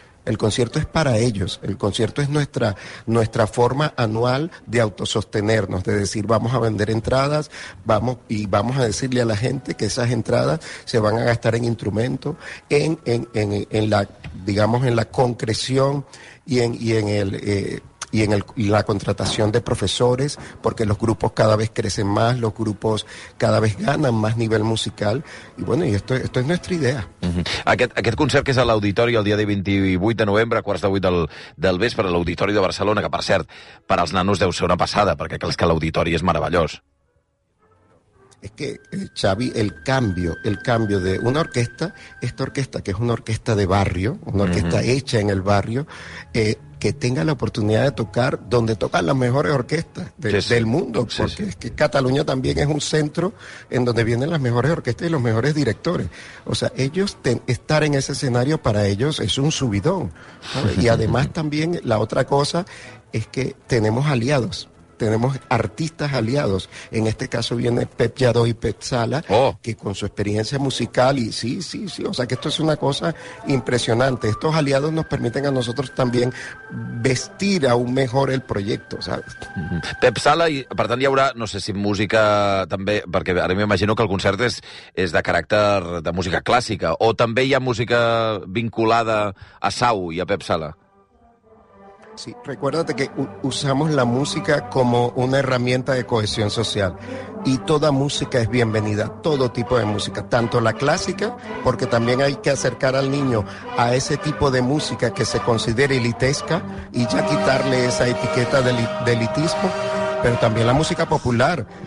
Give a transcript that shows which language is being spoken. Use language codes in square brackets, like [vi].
[es] El concierto es para ellos, el concierto es nuestra forma anual de autosostenernos, de decir, vamos a vender entradas, vamos a decirle a la gente que esas entradas se van a gastar en instrumentos, en la concreción y en la contratación de profesores, porque los grupos cada vez crecen más, los grupos cada vez ganan más nivel musical, y bueno, y esto es nuestra idea. Uh-huh. [ca] Aquest concert que és a l'Auditori el dia 28 de novembre, a quarts de 8 del vespre, a l'Auditori de Barcelona, que per cert, per als nanos deu ser una passada, perquè és que l'Auditori és meravellós. [es] Es que, Xavi, el cambio de una orquesta, esta orquesta que es una orquesta de barrio, una orquesta uh-huh. hecha en el barrio, que tenga la oportunidad de tocar donde tocan las mejores orquestas del mundo, porque es que Cataluña también es un centro en donde vienen las mejores orquestas y los mejores directores. O sea, ellos estar en ese escenario para ellos es un subidón, ¿sabes? Y además también la otra cosa es que tenemos aliados. Tenemos artistas aliados. En este caso viene Pep Lladó y Pep Sala, que con su experiencia musical y sí. O sea que esto es una cosa impresionante. Estos aliados nos permiten a nosotros también vestir aún mejor el proyecto, ¿sabes? Mm-hmm. [ca] Pep Sala, i per tant hi haurà, no sé si música també, perquè ara m'imagino que el concert és de caràcter de música clàssica, o també hi ha música vinculada a Sau i a Pep Sala. [es] Sí, recuérdate que usamos la música como una herramienta de cohesión social, y toda música es bienvenida, todo tipo de música, tanto la clásica, porque también hay que acercar al niño a ese tipo de música que se considera elitesca y ya quitarle esa etiqueta de elitismo, pero también la música popular.